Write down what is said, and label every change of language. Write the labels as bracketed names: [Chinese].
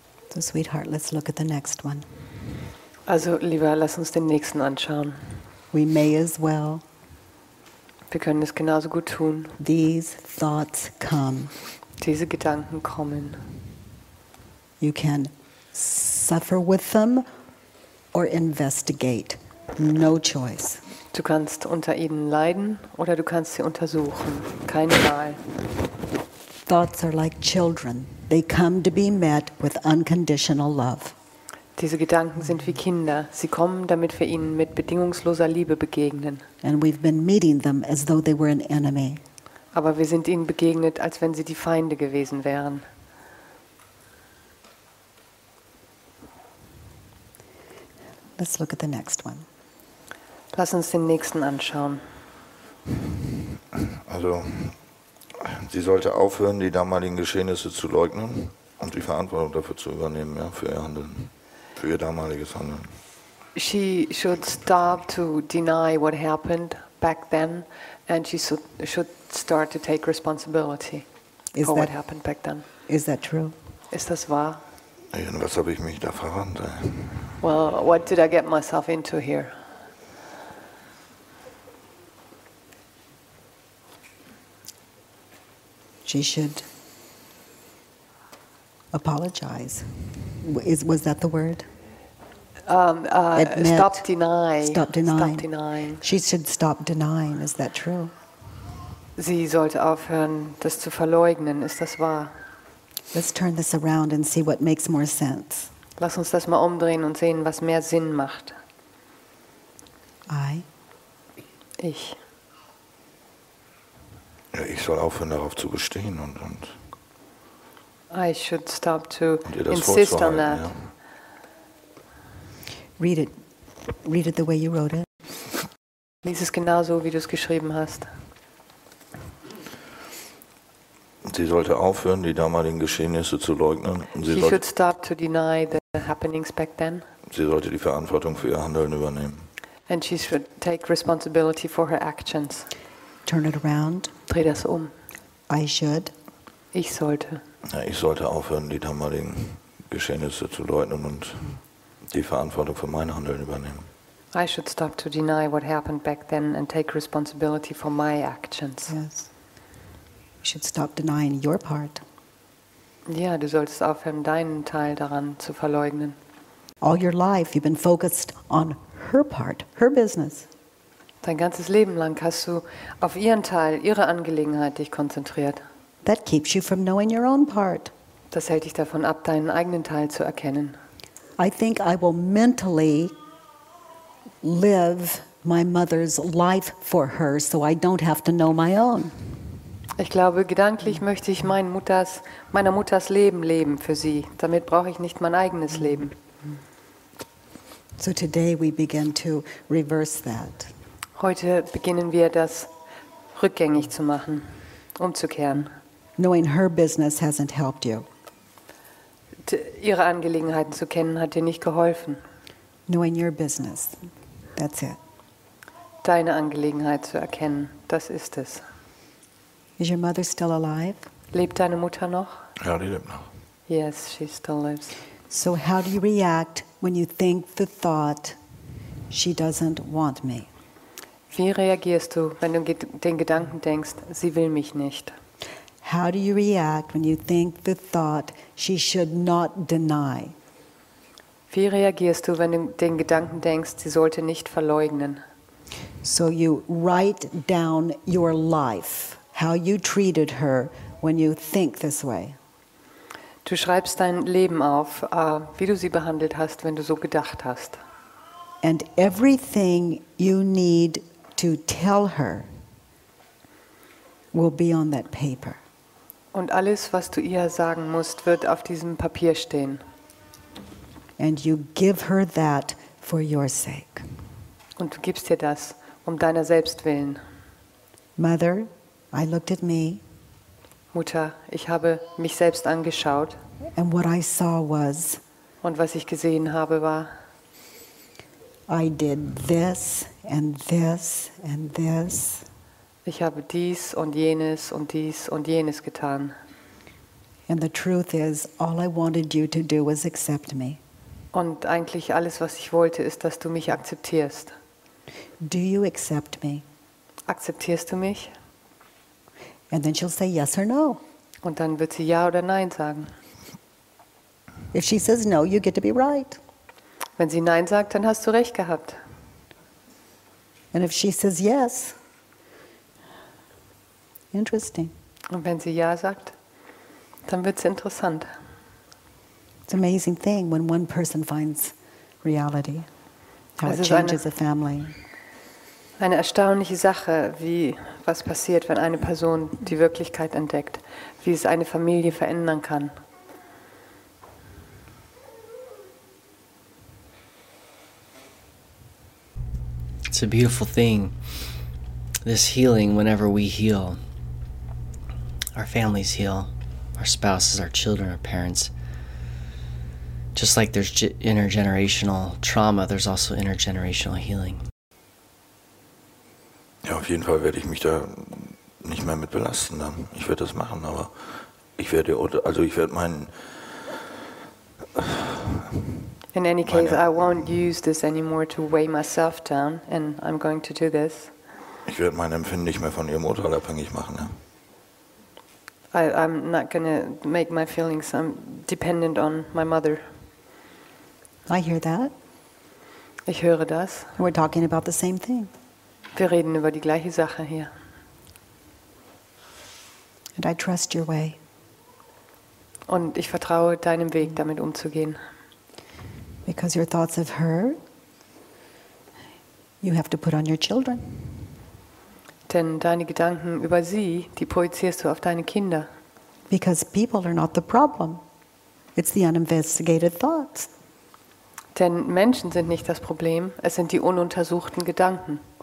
[English] So, sweetheart, let's look at the next one. [German] Also, lieber, lass uns den nächsten anschauen. [English] We may as well. [German] Wir können es genauso gut tun. [English] These thoughts come. [German] Diese Gedanken kommen. [English] You can suffer with them or investigate. No choice. [German] Du kannst unter ihnen leiden oder du kannst sie untersuchen. Keine Wahl. [English] Thoughts are like children. They come to be met with unconditional love. [German] Diese Gedanken sind wie Kinder. Sie kommen, damit wir ihnen mit bedingungsloser Liebe begegnen. [English] And we've been meeting them as though they were an enemy. [German] Aber wir sind ihnen begegnet, als wenn sie die Feinde gewesen wären. [English] Let's look at the next one. [German] Lass uns den nächsten anschauen. Also, sie sollte aufhören, die damaligen Geschehnisse zu leugnen und die Verantwortung dafür zu übernehmen, ja, für ihr Handeln, für ihr damaliges Handeln. [English] She should stop to deny what happened back then and she should start to take responsibility is for that, what happened back then. Is that true? [German] Ist das wahr? Ja, und was habe ich mich da verrannt? [English] Well, what did I get myself into here? She should apologize. Was that the word? Admit. Stop denying. Stop denying. Stop denying. She should stop denying. Is that true? [German] Sie sollte aufhören, das zu verleugnen. Ist das wahr? [English] Let's turn this around and see what makes more sense. [German] Lass uns das mal umdrehen und sehen, was mehr Sinn macht. [English] I. [German] Ich. Ja, ich soll aufhören, darauf zu bestehen und [English] I should stop to insist on that. [German] Ja. [English] Read it the way you wrote it. [German] Lies es genauso, wie du es geschrieben hast. Sie sollte aufhören, die damaligen Geschehnisse zu leugnen. [English] She should stop to deny the happenings back then. [German] Sie sollte die Verantwortung für ihr Handeln übernehmen. [English] And she should take responsibility for her actions. Turn it around. [German] Dreh das um. [English] I should. [German] Ich sollte. Ja, ich sollte aufhören, die damaligen Geschehnisse zu leugnen und die Verantwortung für mein Handeln übernehmen. [English] I should stop to deny what happened back then and take responsibility for my actions. Yes. You should stop denying your part. [German] Ja, du solltest aufhören, deinen Teil daran zu verleugnen. [English] All your life you've been focused on her part, her business. [German] Dein ganzes Leben lang hast du auf ihren Teil, ihre Angelegenheit dich konzentriert. [English] That keeps you from knowing your own part. [German] Das hält dich davon ab, deinen eigenen Teil zu erkennen. [English] I think I will mentally live my mother's life for her, so I don't have to know my own. [German] Ich glaube, gedanklich möchte ich meiner Mutters Leben leben für sie. Damit brauche ich nicht mein eigenes Leben. [English] So today we begin to reverse that. [German] Heute beginnen wir, das rückgängig zu machen, umzukehren. [English] Knowing her business hasn't helped you. [German] Ihre Angelegenheiten zu kennen, hat dir nicht geholfen. [English] Knowing your business, that's it. [German] Deine Angelegenheit zu erkennen, das ist es. [English] Is your mother still alive? [German] Lebt deine Mutter noch? Ja, die lebt noch. [English] Yes, she still lives. So how do you react when you think the thought, she doesn't want me? [German] Wie reagierst du, wenn du den Gedanken denkst, sie will mich nicht? [English] How do you react when you think the thought she should not deny? [German] Wie reagierst du, wenn du den Gedanken denkst, sie sollte nicht verleugnen? [English] So you write down your life, how you treated her when you think this way. [German] Du schreibst dein Leben auf, wie du sie behandelt hast, wenn du so gedacht hast. [English] And everything you need to tell her will be on that paper. [German] Und alles, was du ihr sagen musst, wird auf diesem Papier stehen. [English] And you give her that for your sake. [German] Und du gibst ihr das um deiner selbst willen. [English] Mother, I looked at me. [German] Mutter, ich habe mich selbst angeschaut. [English] And what I saw was. [German] Und was ich gesehen habe war. [English] I did this. And this and this. [German] Ich habe dies und jenes und dies und jenes getan. [English] And the truth is, all I wanted you to do was accept me. [German] Und eigentlich alles, was ich wollte, ist, dass du mich akzeptierst. [English] Do you accept me? [German] Akzeptierst du mich? [English] And then she'll say yes or no. [German] Und dann wird sie ja oder nein sagen. [English] If she says no, you get to be right. [German] Wenn sie nein sagt, dann hast du recht gehabt. [English] And if she says yes, interesting. [German] Und wenn sie ja sagt, dann wird's interessant. [English] It's an amazing thing when one person finds reality, how it changes a family. [German] Eine erstaunliche Sache, wie was passiert, wenn eine Person die Wirklichkeit entdeckt, wie es eine Familie verändern kann. [English] It's a beautiful thing, this healing, whenever we heal, our families heal, our spouses, our children, our parents. Just like there's intergenerational trauma, there's also intergenerational healing. [German] Ja, auf jeden Fall werde ich mich da nicht mehr mit belasten. Dann. Ich werde das machen, aber ich werde meinen. [English] In any case, I won't use this anymore to weigh myself down, and I'm going to do this. [German] Ich werde mein Empfinden nicht mehr von ihrem Urteil abhängig machen. Ja. [English] I'm not going to make my feelings dependent on my mother. I hear that. [German] Ich höre das. [English] We're talking about the same thing. [German] Wir reden über die gleiche Sache hier. [English] And I trust your way. [German] Und ich vertraue deinem Weg, damit umzugehen. [English] Because your thoughts of her, you have to put on your children. [German] Denn deine Gedanken über sie, die projizierst du auf deine Kinder. [English] Because people are not the problem. It's the uninvestigated thoughts. [German] Denn Menschen sind nicht das Problem, es sind die ununtersuchten Gedanken.